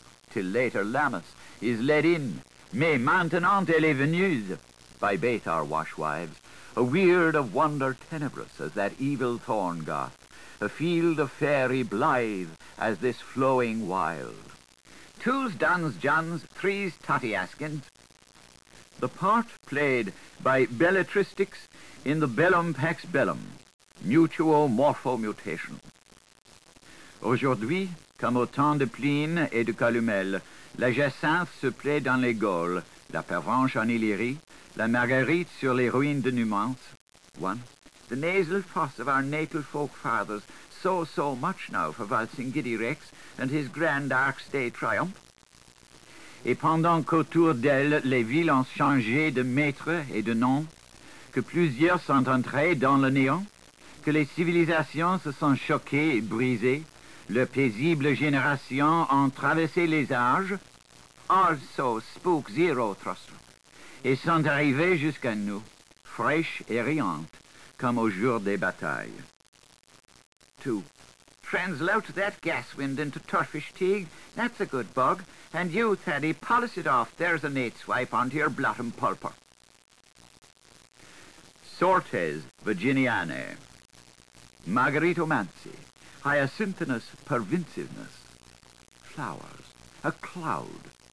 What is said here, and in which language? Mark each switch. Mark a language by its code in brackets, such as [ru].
[en] Till later Lammas is led in, [fr] mais maintenant elle est venue, [en] by both our washwives, a weird of wonder tenebrous as that evil thorn garth, a field of fairy blithe as this flowing wild. Two's Duns Juns, three's Tutty Askins. The part played by Bellatrix in the Bellum Pax Bellum, [la] mutuo morpho [en] mutation. [fr] Aujourd'hui, comme au temps de Pline et de Calumel, la jacinthe se plaît dans les Gaules, la pervenche en Illyrie, la marguerite sur les ruines de Numance. [en] One. The nasal foss of our natal folk fathers so, so much now for valsing Giddy Rex and his grand Arc's Day triumph. [fr] Et pendant qu'autour d'elle, les villes ont changé de maître et de nom, que plusieurs sont entrés dans le néant, que les civilisations se sont choquées et brisées, le paisible génération en traversé les âges, also spook zero thruster, et sont arrivés jusqu'à nous, fraîches et riantes, comme au jour des batailles. [en] 2. Translate that gas wind into turfish teague, that's a good bug, and you, Thaddy, polish it off, there's a nate swipe onto your blottom pulper. Sortes Virginiane, Margarito Mansi, hyacinthinous pervinciveness, flowers, a cloud.